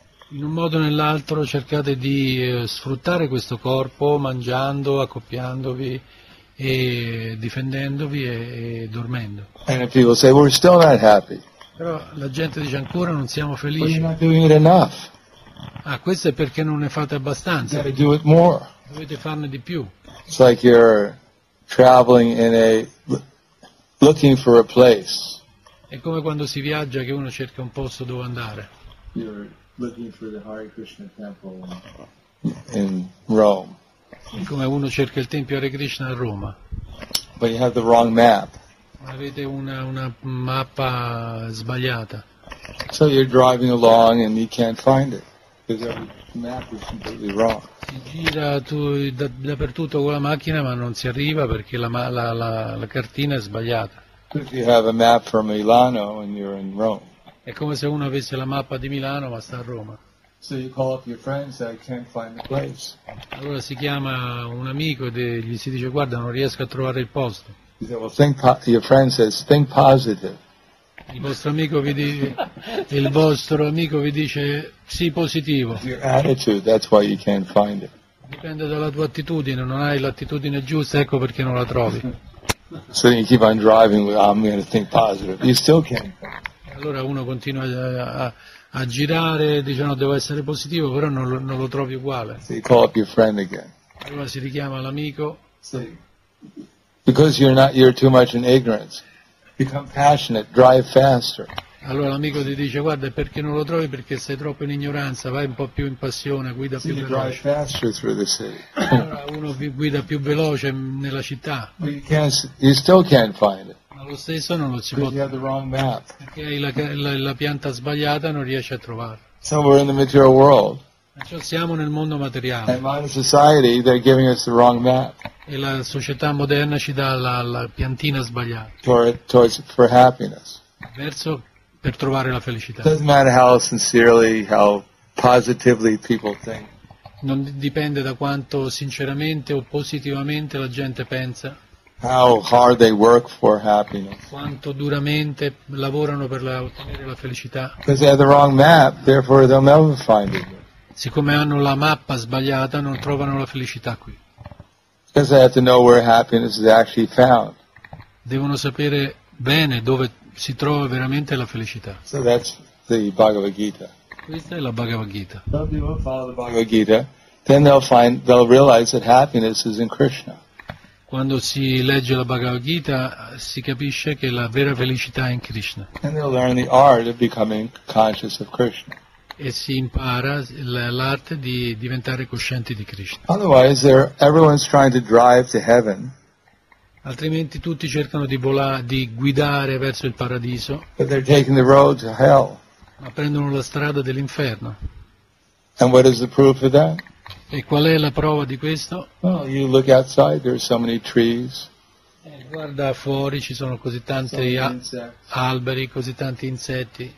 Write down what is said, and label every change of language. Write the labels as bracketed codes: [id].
[it] In un modo o nell'altro cercate di sfruttare questo corpo, mangiando, accoppiandovi, e difendendovi e dormendo. [en] And people say, we're still not happy. [it] Però la gente dice ancora non siamo felici. [en] But you're not doing it enough. [it] Ah, questo è perché non ne fate abbastanza. [en] You gotta do it more. [it] Dovete farne di più. [en] It's like you're traveling in a looking for a place. [it] È come quando si viaggia che uno cerca un posto dove andare. [en] You're looking for the Hare Krishna temple in Rome. [it] Come uno cerca il tempio Hare Krishna a Roma. [en] But you have the wrong map. [it] Avete una mappa sbagliata. [en] So you're driving along and you can't find it because the map is completely wrong. [it] Si gira dappertutto con la macchina ma non si arriva perché la cartina è sbagliata. [en] If you have a map for Milano and you're in Rome. [it] È come se uno avesse la mappa di Milano ma sta a Roma. [en] So you call up your friends, I can't find the place. [it] Allora si chiama un amico e gli si dice, guarda, non riesco a trovare il posto. [en] He said, well, think your friend says, think positive. [it] Il vostro amico vi dice, il vostro amico vi dice, sii positivo. [en] Your attitude, that's why you can't find it. [it] Dipende dalla tua attitudine, non hai l'attitudine giusta, ecco perché non la trovi. [en] So you keep on driving, I'm going to think positive. You still can't. [it] Allora uno continua a girare, dice no, devo essere positivo, però non lo trovi uguale. [en] So you call up your friend again. [it] Allora si richiama l'amico. [en] See. Because you're too much in ignorance. Become passionate, drive faster. [it] Allora l'amico ti dice, guarda, perché non lo trovi? Perché sei troppo in ignoranza, vai un po' più in passione, guida più veloce. [en] Drive faster through the city. [it] Allora uno guida più veloce nella città. [en] You still can't find it. [it] Ma lo stesso non lo si può. [en] You have the wrong map. [it] Perché hai la pianta sbagliata, non riesci a trovare. [en] So we're in the material world. [it] Siamo nel mondo materiale. [en] And modern society, they're giving us the wrong map. [it] E la società moderna ci dà la piantina sbagliata. [en] For happiness. [it] Verso per trovare la felicità. [en] It doesn't matter how sincerely, how positively people think. [it] Non dipende da quanto sinceramente o positivamente la gente pensa. [en] How hard they work for happiness. [it] Quanto duramente lavorano per ottenere la felicità. [en] Because they have the wrong map, therefore they'll never find it. [it] Siccome hanno la mappa sbagliata, non trovano la felicità qui. [en] Because they have to know where happiness is actually found. [it] Devono sapere bene dove si trova veramente la felicità. [en] So that's the Bhagavad Gita. [it] Questa è la Bhagavad Gita. [en] Some people follow the Bhagavad Gita, then they'll realize that happiness is in Krishna. [it] Quando si legge la Bhagavad Gita, si capisce che la vera felicità è in Krishna. [en] And they'll learn the art of becoming conscious of Krishna. [it] E si impara l'arte di diventare coscienti di Krishna. [en] Otherwise, everyone's trying to drive to heaven. [it] Altrimenti tutti cercano di guidare verso il paradiso. [en] But they're taking the road to hell. [it] Ma prendono la strada dell'inferno. [en] And what is the proof of that? [it] E qual è la prova di questo? [en] Well, you look outside, there are so many trees. [it] Guarda fuori, ci sono così tanti alberi, così tanti insetti.